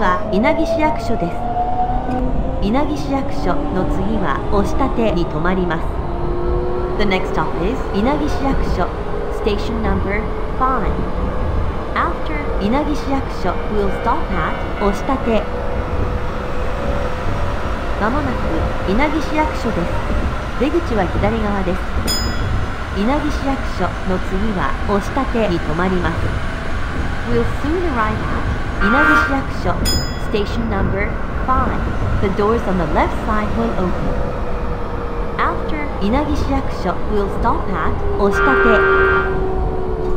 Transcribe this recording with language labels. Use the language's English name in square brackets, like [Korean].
[Japanese] 稲城市役所です。稲城市役所の次は押し立てに停まります。 [English] The next stop is 稲城市役所 Station number 5 After 稲城市役所 We'll stop at 押し立て。 [Japanese] まもなく稲城市役所です。出口は左側です。稲城市役所の次は押し立てに停まります。 [English] We'll soon arrive at 稲城市役所Station number 5. The doors on the left side will open. After 稲城市役所 we'll stop at 押し立て。